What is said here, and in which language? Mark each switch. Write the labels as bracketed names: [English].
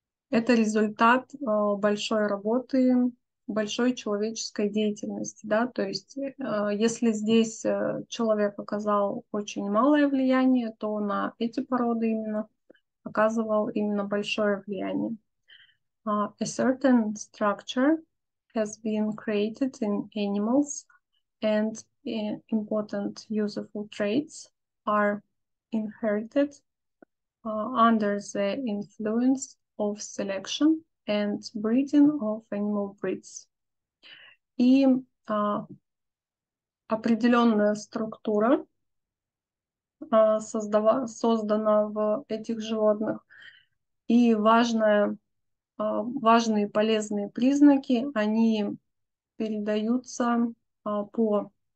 [Russian] Это результат большой работы, большой человеческой деятельности. Да? То есть если здесь человек оказал очень малое влияние, то на эти породы именно оказывал именно большое влияние. [English] A certain structure has been created in animals, and important useful traits are inherited under the influence of selection and breeding of animal breeds. [Russian] И определенная структура создана в этих животных, и важные полезные признаки, они передаются по